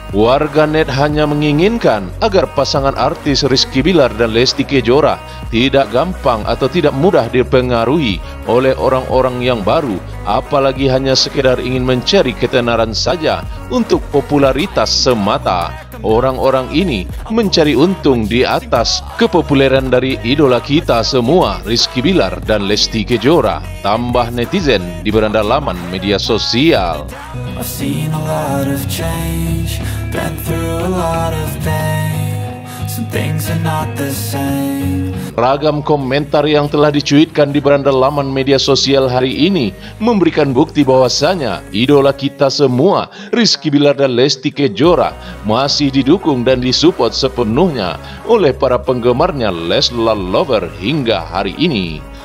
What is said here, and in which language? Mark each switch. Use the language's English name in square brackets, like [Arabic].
[Indonesian] Warganet hanya menginginkan agar pasangan artis Rizky Bilar dan Lesti Kejora tidak gampang atau tidak mudah dipengaruhi oleh orang-orang yang baru, apalagi hanya sekedar ingin mencari ketenaran saja untuk popularitas semata. Orang-orang ini mencari untung di atas kepopuleran dari idola kita semua, Rizky Bilar dan Lesti Kejora, tambah netizen di beranda laman media sosial. [English] I've seen a lot of change, been through a lot of pain, some things are not the same. [Indonesian] Ragam komentar yang telah dicuitkan di beranda laman media sosial hari ini memberikan bukti bahwasanya idola kita semua, Rizky Bilar dan Lesti Kejora, masih didukung dan disupport sepenuhnya oleh para penggemarnya Leslar Lover hingga hari ini.